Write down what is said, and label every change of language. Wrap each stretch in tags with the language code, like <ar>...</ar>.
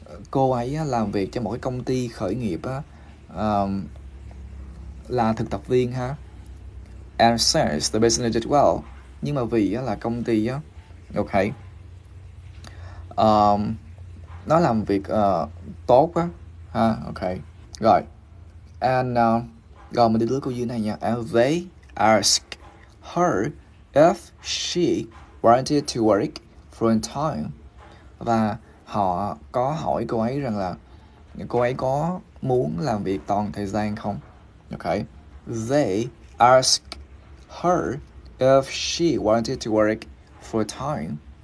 <vi>Cô ấy làm việc cho một cái công ty khởi nghiệp á, là thực tập viên ha.</vi> <en>And since the business did well,</en> <vi>nhưng mà vì là công ty á, ok, nó làm việc tốt quá ha, ok, rồi. Rồi mình đi lướt câu dưới này nha.</vi> <en>And they ask her if she wanted to work full time.</en> <vi>Và họ có hỏi cô ấy rằng là cô ấy có muốn làm việc toàn thời gian không?</vi> <en>Okay. They ask her if she wanted to work full time.</en>